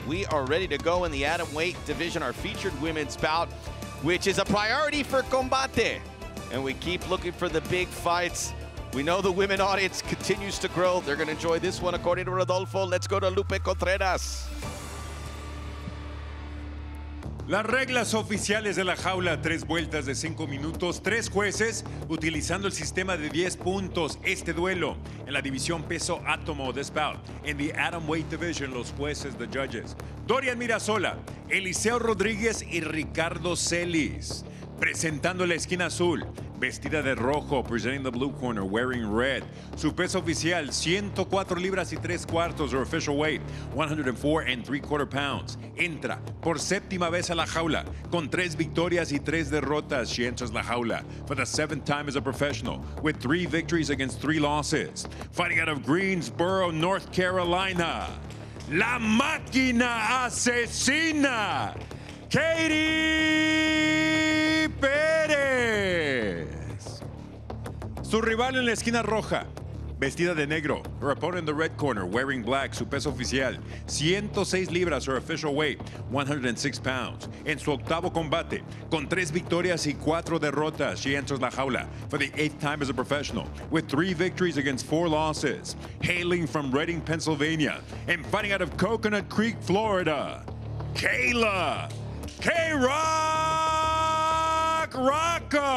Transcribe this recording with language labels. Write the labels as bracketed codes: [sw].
[en] We are ready to go in the atom weight division, our featured women's bout, which is a priority for Combate. And we keep looking for the big fights. We know the women audience continues to grow. They're going to enjoy this one, according to Rodolfo. Let's go to Lupe Contreras. [es] Las reglas oficiales de la jaula, 3 vueltas de 5 minutos, 3 jueces utilizando el sistema de 10 puntos. Este duelo en la división peso átomo, [en] this bout, in the atom weight division, [es] los jueces, [en] the judges. [es] Dorian Mirasola, Eliseo Rodríguez y Ricardo Celis. Presentando la esquina azul, vestida de rojo, [en] presenting the blue corner, wearing red. [es] Su peso oficial, 104 libras y 3 cuartos, [en] her official weight, 104 and 3 quarter pounds. [es] Entra por séptima vez a la jaula, con 3 victorias y 3 derrotas. [en] She enters [es] la jaula [en] for the 7th time as a professional, with 3 victories against 3 losses. Fighting out of Greensboro, North Carolina, La Máquina Asesina, Katie Perez. [es] Su rival en la esquina roja, vestida de negro. [en] Her opponent in the red corner, wearing black. [es] Su peso oficial, 106 libras, [en] her official weight, 106 pounds. [es] En su octavo combate, con 3 victorias y 4 derrotas, [en] she enters [es] la jaula [en] for the 8th time as a professional, with 3 victories against 4 losses. Hailing from Reading, Pennsylvania, and fighting out of Coconut Creek, Florida, Kayla K-Rock Hracho.